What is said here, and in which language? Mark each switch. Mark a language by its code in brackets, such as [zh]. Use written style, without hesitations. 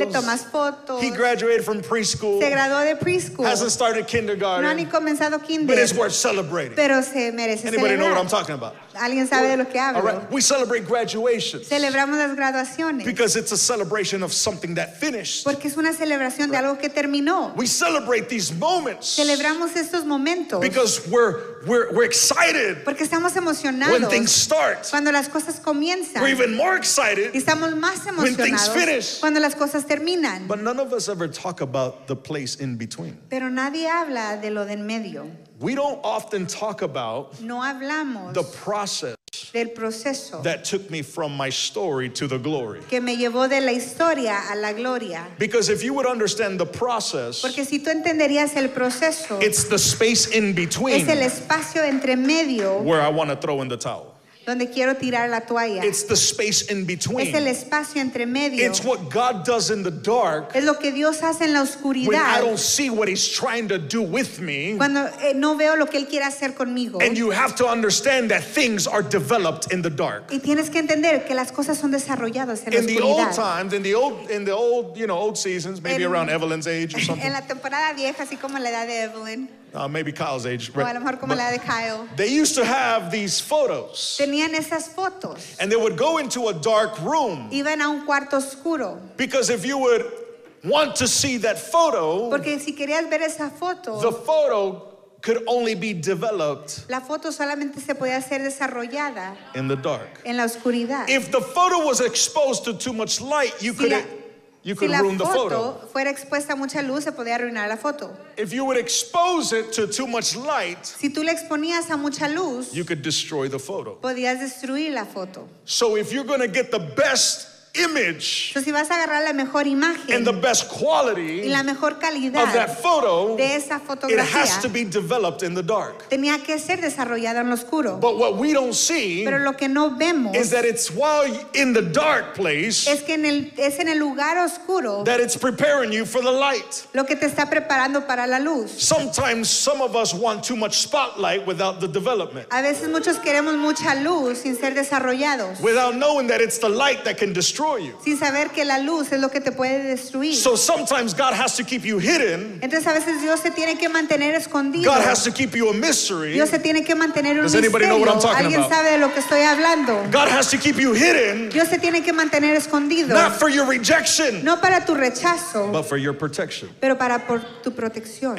[es] Le tomas fotos. [en] He graduated from preschool. [es] Se graduó de preschool. [en] Hasn't started kindergarten. [es] No ha ni comenzado kinder. [en] But it's worth celebrating. [es] Pero se merece celebrar. [en] Anybody know what I'm talking about? [es] ¿Alguien sabe de lo que hablo? [en] All right. We celebrate graduations. [es] Celebramos las graduaciones. [en] Because it's a celebration of something that finished. [es] Porque es una celebración [en] right. [es] de algo que terminó. [en] We celebrate these moments. [es] Celebramos estos momentos. [en] Because we're excited. [es] Porque estamos emocionados. [en] When things start. [es] Cuando las cosas comienzan. [en] We're even more excited. [es] Y estamos más emocionados. [en] When things finish. [es] Cuando las cosas terminan. [en] But none of us ever talk about the place in between. [es] Pero nadie habla de lo de en medio. [en] We don't often talk about [es] no hablamos [en] the process [es] del proceso [en] that took me from my story to the glory. [es] Que me llevó de la historia a la gloria. [en] Because if you would understand the process, [es] porque si tú entenderías el proceso, [en] it's the space in between [es] es el espacio entre medio [en] where I want to throw in the towel. [es] Donde quiero tirar la toalla. [en] It's the space in between. [es] Es el espacio entre medio. [en] It's what God does in the dark. [es] Es lo que Dios hace en la oscuridad. [en] When I don't see what he's trying to do with me. [es] Cuando no veo lo que él quiere hacer conmigo. [en] And you have to understand that things are developed in the dark. [es] Y tienes que entender que las cosas son desarrolladas en la oscuridad. [en] In the old times, in the old, you know, old seasons, maybe around Evelyn's age or something. [es] En la temporada vieja, así como la edad de Evelyn. [en] Maybe Kyle's age. Right? [es] O a lo mejor como la de Kyle. [en] They used to have these photos. [es] Tenían esas fotos. [en] And they would go into a dark room. [es] Iban a un cuarto oscuro. [en] Because if you would want to see that photo, [es] porque si querías ver esa foto, [en] the photo could only be developed [es] la foto solamente se podía ser desarrollada [en] in the dark. [es] En la oscuridad. [en] If the photo was exposed to too much light, you [es] si [en] could... You could [es] si la [en] ruin the photo. [es] Fuera expuesta a mucha luz, se podía arruinar la foto. [en] If you would expose it to too much light, [es] si tú la exponías a mucha luz, [en] you could destroy the photo. [es] Podías destruir la foto. [en] So if you're going to get the best image [es] entonces, si vas a agarrar la mejor imagen, [en] and the best quality [es] y la mejor calidad [en] of that photo, [es] de esa fotografía, [en] it has to be developed in the dark. [es] Tenía que ser desarrollada en lo oscuro. [en] But what we don't see [es] pero lo que no vemos, [en] is that it's while in the dark place [es] es que es en el lugar oscuro, [en] that it's preparing you for the light. [es] Lo que te está preparando para la luz. [en] Sometimes some of us want too much spotlight without the development. [es] A veces muchos queremos mucha luz sin ser desarrollados. [en] Without knowing that it's the light that can destroy [es] sin saber que la luz es lo que te puede destruir. [en] So sometimes God has to keep you hidden. [es] Entonces a veces Dios se tiene que mantener escondido. [en] God has to keep you a mystery. [es] Dios se tiene que mantener un misterio. [en] Does anybody know what I'm talking about? [es] ¿Alguien sabe de lo que estoy hablando? [en] God has to keep you hidden. [es] Dios se tiene que mantener escondido. [en] Not for your rejection. [es] No para tu rechazo. [en] But for your protection. [es] Pero para por tu protección.